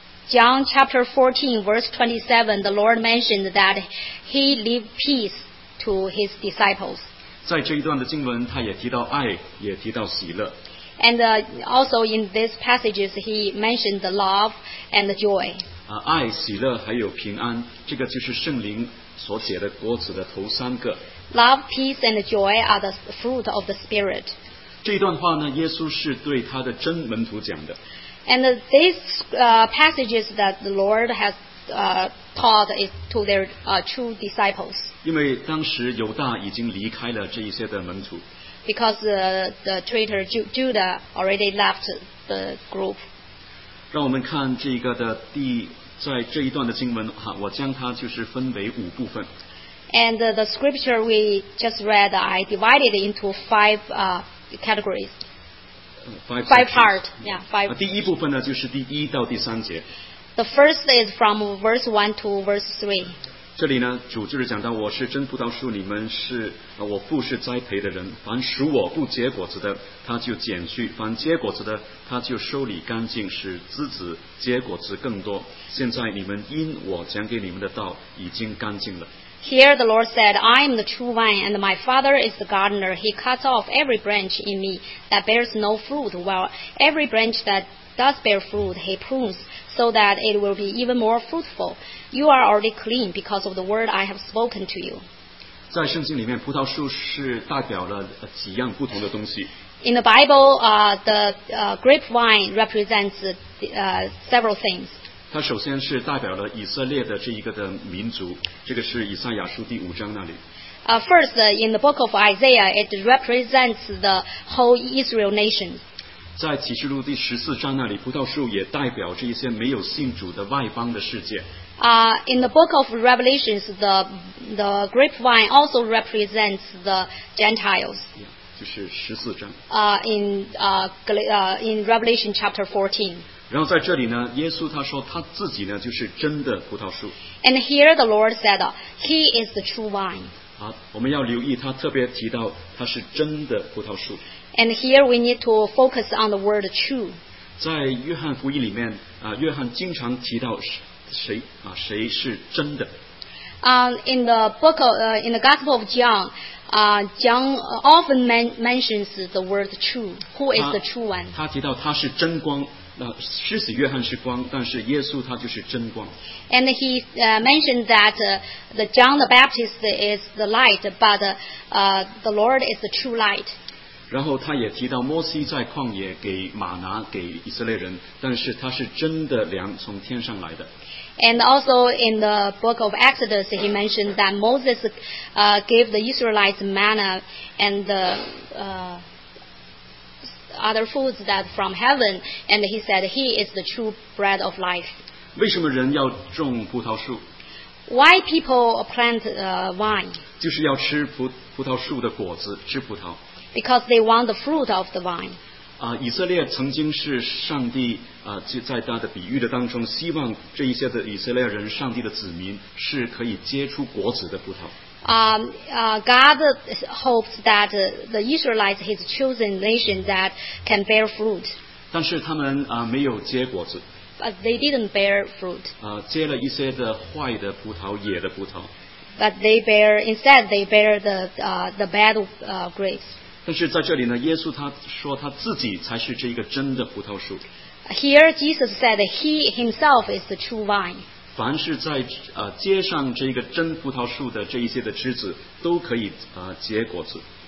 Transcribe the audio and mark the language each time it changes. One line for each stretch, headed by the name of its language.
English: John chapter 14, verse 27, the Lord mentioned that He leave peace to His disciples.
Chinese: 在这一段的经文，他也提到爱，也提到喜乐。
English: And also in these passages, He mentioned the love and the joy.
Chinese: 爱、喜乐还有平安，这个就是圣灵所写的果子的头三个。
English: Love, peace, and joy are the fruit of the Spirit.
Chinese: 这一段话呢，耶稣是对他的真门徒讲的。
English: And these passages that the Lord has taught is to their true disciples.
Chinese: 因为当时犹大已经离开了这一些的门徒。
English: Because the traitor Judah already left the group.
Chinese: 让我们看这个的在这一段的经文，我将它就是分为五部分。
English: And the scripture we just read, I divided it into five categories. Five parts.
Chinese: 第一部分呢，就是第一到第三节。
English: The first is from verse 1 to verse 3.
Chinese: 这里呢，主就是讲到，我是真葡萄树，你们是我父是栽培的人。凡属我不结果子的，他就剪去；凡结果子的，他就收理干净，使枝子结果子更多。现在你们因我讲给你们的道已经干净了。
English: Here the Lord said, I am the true vine, and my Father is the gardener. He cuts off every branch in me that bears no fruit, while every branch that does bear fruit, he prunes, so that it will be even more fruitful. You are already clean because of the word I have spoken to you.
Chinese: 在圣经里面，葡萄树是代表了几样不同的东西。
English: In the Bible, the grapevine represents several things.
Chinese: 它首先是代表了以色列的这一个的民族，这个是以赛亚书第五章那里。
English: First, in the book of Isaiah, it represents the whole Israel nation.
Chinese: 在启示录第十四章那里，葡萄树也代表这一些没有信主的外邦的世界。
English: In the book of Revelations, the grapevine also represents the Gentiles.
Chinese: Yeah, 就是十四章。
English: In Revelation chapter 14.
Chinese: 然后在这里呢，耶稣他说他自己呢就是真的葡萄树。
English: And here the Lord said, He is the true vine.
Chinese: 我们要留意他特别提到他是真的葡萄树。
English: And here we need to focus on the word true.
Chinese: 在约翰福音里面，约翰经常提到谁是真的。
English: In the book of, in the Gospel of John, John often mentions the word true. Who is the true one?
Chinese: 他提到他是真光。狮子约翰是光，但是耶稣他就是真光。
English: And he mentioned that the John the Baptist is the light, but the Lord is the true light.
Chinese: 然后他也提到摩西在旷野给玛拿给以色列人，但是他是真的粮从天上来的。
English: And also in the book of Exodus, he mentioned that Moses gave the Israelites manna and the other foods that from heaven, and he said he is the true bread of life.
Chinese: 为什么人要种葡萄树？
English: Why people plant vine?
Chinese: 就是要吃葡萄树的果子，吃葡萄。
English: Because they want the fruit of the vine.
Chinese: 以色列曾经是上帝就在他的比喻的当中，希望这一些的以色列人，上帝的子民，是可以结出果子的葡萄。
English: God hopes that the Israelites, His chosen nation, that can bear fruit.
Chinese: 但是他们没有结果子。
English: But they didn't bear fruit.
Chinese: 结了一些的坏的葡萄，野的葡萄。
English: But they bear instead they bear the bad grapes.
Chinese: 但是在这里呢，耶稣他说他自己才是这一个真的葡萄树。
English: Here Jesus said He Himself is the true vine.
Chinese: 凡是在接上这个真葡萄树的这一些的枝子，都可以结果子。